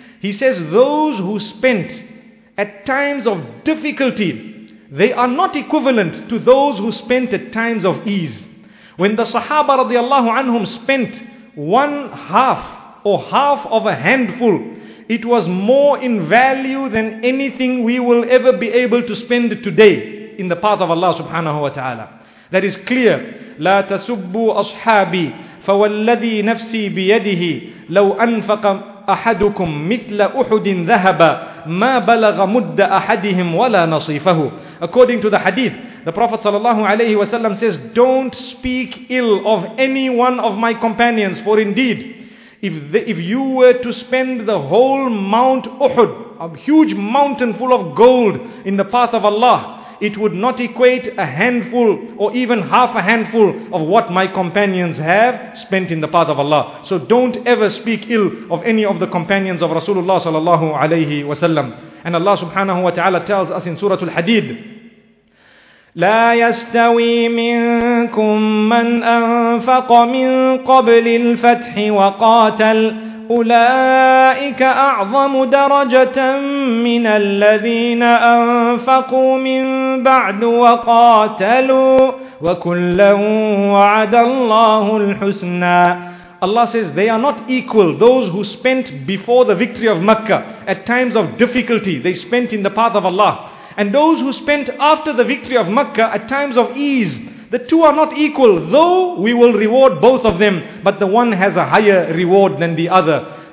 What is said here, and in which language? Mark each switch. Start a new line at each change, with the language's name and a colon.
English: He says, those who spent at times of difficulty, they are not equivalent to those who spent at times of ease. When the Sahaba radiallahu anhum spent one half or half of a handful, it was more in value than anything we will ever be able to spend today in the path of Allah subhanahu wa ta'ala. That is clear.
Arabic: لا تسبوا أصحابي فوالذي نفسي بيده لو أنفق أحدكم مثل أحد ذهب ما بلغ مد أحدهم ولا نصيفه.
English: According to the hadith, The Prophet sallallahu alayhi wasallam says, don't speak ill of any one of my companions, for indeed, if you were to spend the whole Mount Uhud, a huge mountain full of gold, in the path of Allah, it would not equate a handful or even half a handful of what my companions have spent in the path of Allah. So don't ever speak ill of any of the companions of Rasulullah sallallahu alayhi wasallam. And Allah subhanahu wa ta'ala tells us in Surah Al-Hadid,
Arabic: لَا يَسْتَوِي مِنْكُمْ مَنْ أَنْفَقَ مِنْ قَبْلِ الْفَتْحِ وَقَاتَلَ أولئك أعظم درجة من الذين أنفقوا من بعد وقاتلوا وكلا وعد الله الحسنى.
English: Allah says they are not equal, those who spent before the victory of Makkah at times of difficulty, they spent in the path of Allah, and those who spent after the victory of Makkah at times of ease. The two are not equal, though we will reward both of them, but the one has a higher reward than the other.